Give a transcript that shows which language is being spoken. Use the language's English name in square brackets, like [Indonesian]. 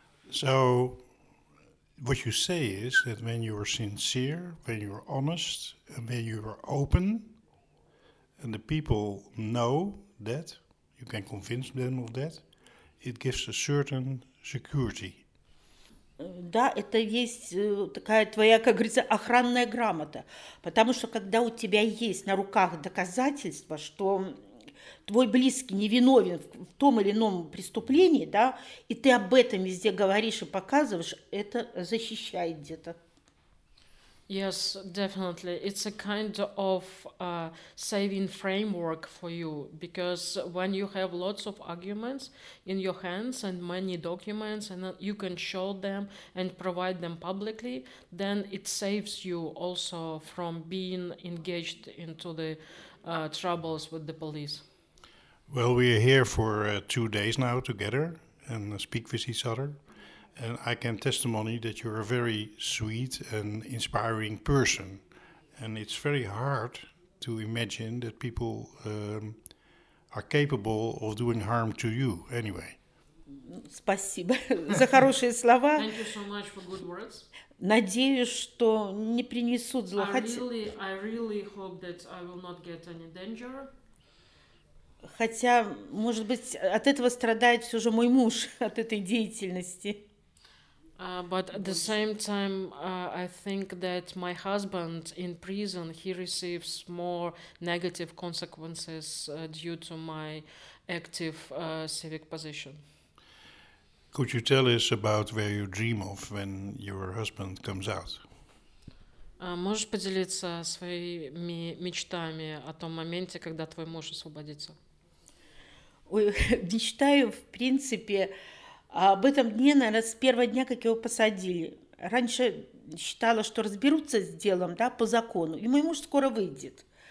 [English] So what you say is that when you are sincere, when you are honest, and when you are open, and the people know that, you can convince them of that, it gives a certain security. [Russian] Да, это есть такая твоя, как говорится, охранная грамота. Потому что когда у тебя есть на руках доказательства, что твой близкий невиновен в том или ином преступлении, да, и ты об этом везде говоришь и показываешь, это защищает где-то. [English] Yes, definitely. It's a kind of saving framework for you, because when you have lots of arguments in your hands and many documents, and you can show them and provide them publicly, then it saves you also from being engaged into the troubles with the police. Well, we are here for 2 days now together and speak with each other. And I can testimony that you're a very sweet and inspiring person. And it's very hard to imagine that people are capable of doing harm to you anyway. [Russian] Спасибо за хорошие слова. [English] Thank you so much for good words. [Russian] Надеюсь, что не принесут зла. [English] I really hope that I will not get any danger. [Russian] Хотя, может быть, от этого страдает все же мой муж, от этой деятельности. [English] But at the same time, I think that my husband in prison, he receives more negative consequences due to my active civic position. Could you tell us about where you dream of when your husband comes out? [Russian] Можешь поделиться своими мечтами о том моменте, когда твой муж освободится? Мечтаю, в принципе... Об этом дне, наверное, с первого дня, как его посадили. Раньше считала, что разберутся с делом, да, по закону, и мой муж скоро выйдет.